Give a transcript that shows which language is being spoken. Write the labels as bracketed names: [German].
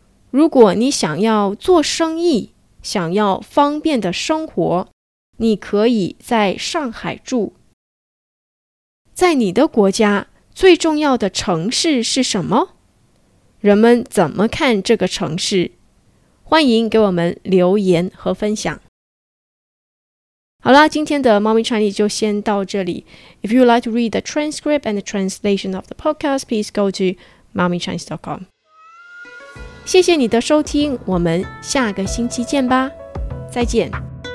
[Chinese] 如果你想要做生意，想要方便的生活，你可以在上海住。在你的国家，最重要的城市是什么？人们怎么看这个城市？欢迎给我们留言和分享。好啦，今天的猫咪Chinese就先到这里。 [English] If you'd like to read the transcript and the translation of the podcast, please go to mommychinese.com. [Chinese] 谢谢你的收听，我们下个星期见吧，再见。